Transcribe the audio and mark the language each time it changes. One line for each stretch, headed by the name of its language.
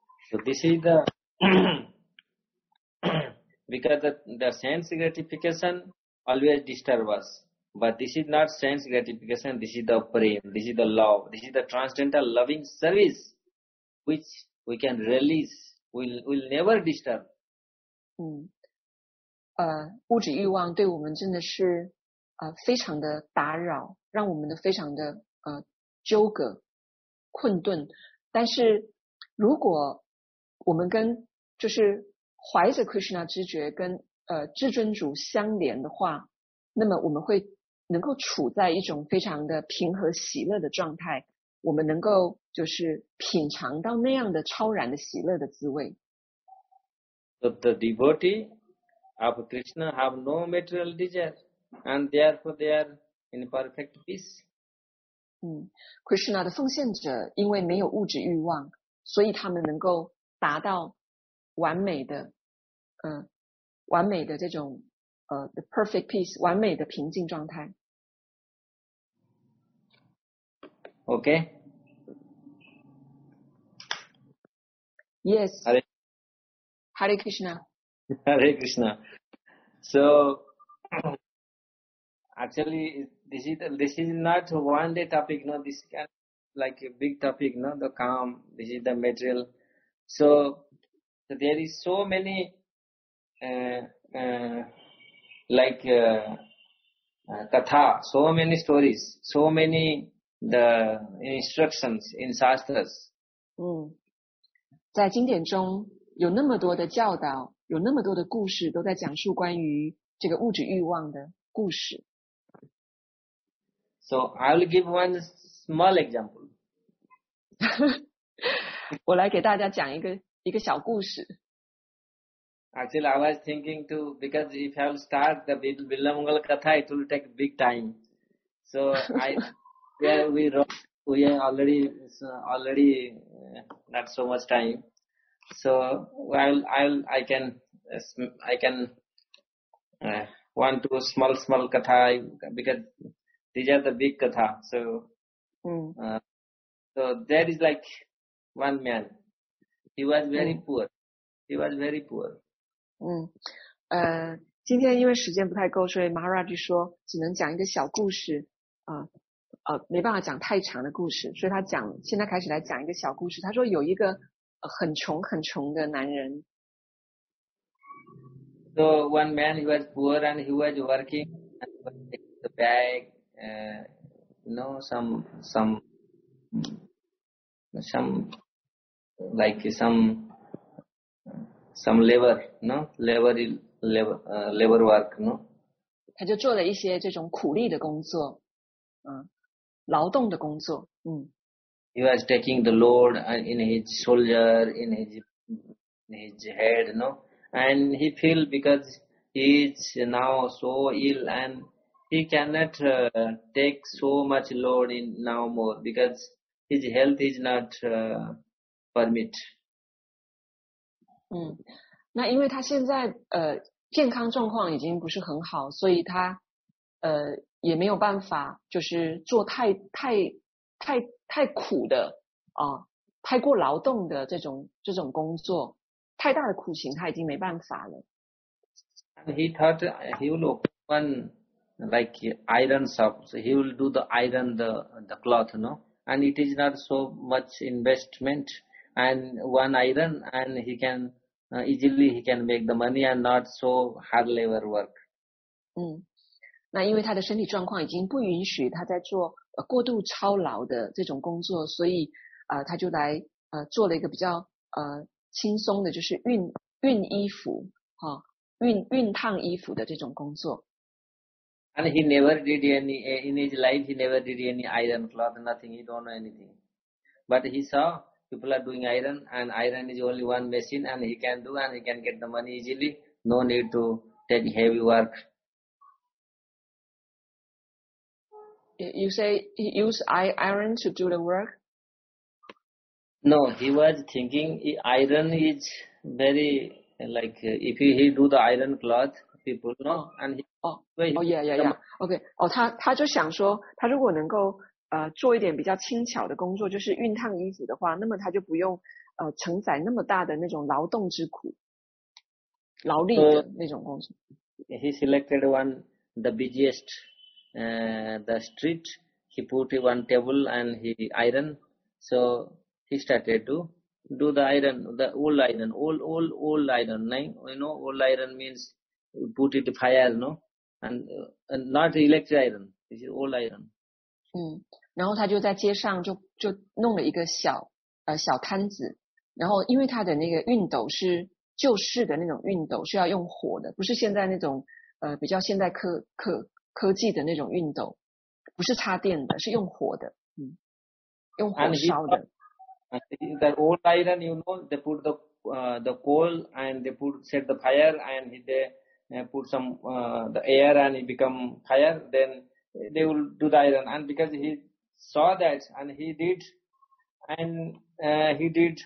English: So this is the because the sense gratification always disturbs us. But this is not sense gratification, this is the prem, this is the love, this is the transcendental loving service which we can release, we'll never disturb.
Chinese: 物质欲望对我们真的是非常的打扰，让我们的非常的纠葛困顿，但是如果我们跟就是怀着 Krishna 知觉跟至尊主相连的话，那么我们会能够处在一种非常的平和喜乐的状态，我们能够就是品尝到那样的超然的喜乐的滋味。
English: The devotee of Krishna have no material desire and therefore they are in perfect peace.
Chinese: Krishna 的奉献者因为没有物质欲望，所以他们能够达到完美的完美的这种
English: the perfect peace,
Chinese: 完美的平静状态。
English: Okay. Yes. Hare Krishna. Hare Krishna. So, actually, this is not one day topic, no, this is kind of like a big topic, no, the calm, this is the material. So, there is so many, katha, so many stories, so many the instructions in shastras.
Chinese: 在经典中有那么多的教导，有那么多的故事都在讲述关于这个物质欲望的故事。
English: So I will give one small example.
Chinese: 我来给大家讲一个小故事。
English: Actually, I was thinking too, because if I will start the Billamangala Katha, it will take big time. So, we are already not so much time. So, I can want to small Katha, because these are the big Katha. So, so there is like one man. He was very poor. He was very poor.
Chinese: 今天因为时间不太够，所以 Maharaj 说只能讲一个小故事，没办法讲太长的故事，所以他讲现在开始来讲一个小故事。他说有一个很穷很穷的男人。
English: So one man, he was poor and he was working and he was taking the bag, some labor work,
Chinese: 他就做了一些这种苦力的工作，劳动的工作，
English: He was taking the load in his shoulder, in his head, no? And he feel because he is now so ill and he cannot take so much load in now more because his health is not permit.
Chinese: 那因为他现在健康状况已经不是很好，所以他也没有办法就是做太苦的太过劳动的这种工作，太大的苦情他已经没办法了。
English: He thought he will open like iron shop, so he will do the iron the cloth, no? And it is not so much investment and one iron and he canEasily he can make the money and not so hard labor work.
Chinese: 那因为他的身体状况已经不允许他在做过度操劳的这种工作，所以他就来做了一个比较轻松的，就是熨衣服，熨烫衣服的这种工作。
English: And he never did any, in his life he never did any iron cloth, nothing, he don't know anything. But he saw,people are doing iron and iron is only one machine and he can do and he can get the money easily, no need to take heavy work. You say he used iron to do the work? No, he was thinking iron is very like if he do the iron cloth, people know and he okay.
Chinese: 他就想说他如果能够做一点比较轻巧的工作，就是熨烫衣服的话，那么他就不用承载那么大的那种劳动之苦，劳力的那种工作。
English: He selected one the busiest the street. He put one table and he iron. So he started to do the iron, the old iron, old iron. Right? You know, old iron means put it fire, no? And not electric iron. It's old iron.
Chinese: 然后他就在街上就弄了一个小摊子，然后因为他的那个熨斗是旧式的那种熨斗，是要用火的，不是现在那种比较现代科技的那种熨斗，不是插电的，是用火的，用火烧的。
English: And the old iron, you know, they put the coal and they set the fire and they put some the air and it become fire. Then they will do the iron. And because he saw that and he did, and he did.